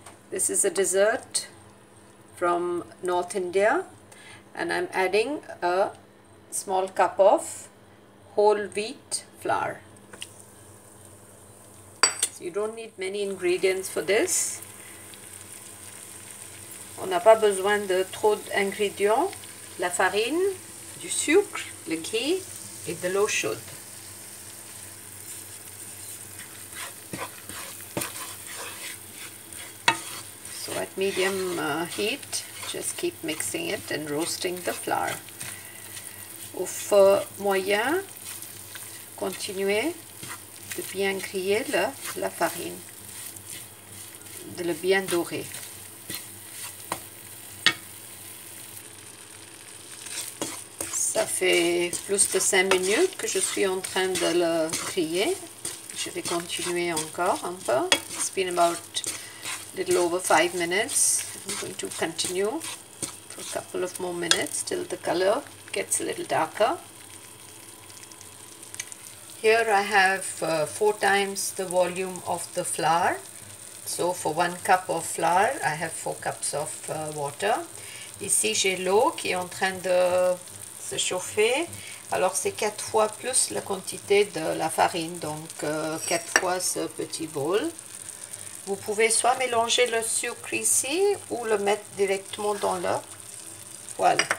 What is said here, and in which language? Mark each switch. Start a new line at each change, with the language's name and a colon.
English: This is a dessert from North India, and I'm adding a small cup of whole wheat flour. So you don't need many ingredients for this.
French: On n'a pas besoin de trop d'ingrédients, la farine, du sucre, le ghee et de l'eau chaude.
English: So at medium heat, just keep mixing it and roasting the flour.
French: Au feu moyen, continuez de bien griller la farine, de le bien dorer. Ça fait plus de 5 minutes que je suis en train de le griller. Je vais continuer encore un peu.
English: It's been about a little over 5 minutes. I'm going to continue for a couple of more minutes till the color gets a little darker. Here I have 4 times the volume of the flour. So for 1 cup of flour, I have 4 cups of water.
French: Ici, j'ai l'eau qui est en train de se chauffer. Alors c'est 4 fois plus la quantité de la farine, donc 4 fois ce petit bol. Vous pouvez soit mélanger le sucre ici ou le mettre directement dans le poêle.